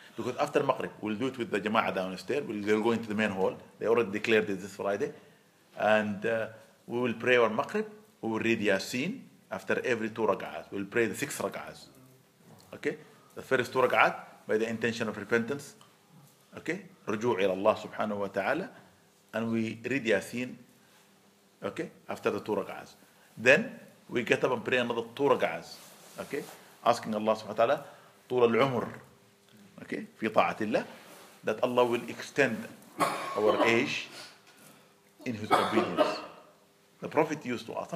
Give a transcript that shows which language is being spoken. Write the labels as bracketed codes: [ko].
[en] Because after Maghrib, we'll do it with the Jama'ah downstairs. They'll go into the main hall. They already declared it this Friday. And we will pray our Maghrib. We will read Yasin after every 2 raka'ahs. We'll pray the 6 raka'ahs. Okay? The first 2 raka'ahs by the intention of repentance. Okay? [ar] رجوع إلى الله سبحانه وتعالى. [en] And we read Yasin. Okay? After the 2 raka'ahs. Then we get up and pray another 2 raka'ahs. Okay? Asking Allah subhanahu wa ta'ala, [ar] طول العمر. [en] Okay? [ar] في طاعة الله. [en] That Allah will extend our age in His obedience. The Prophet used to ask.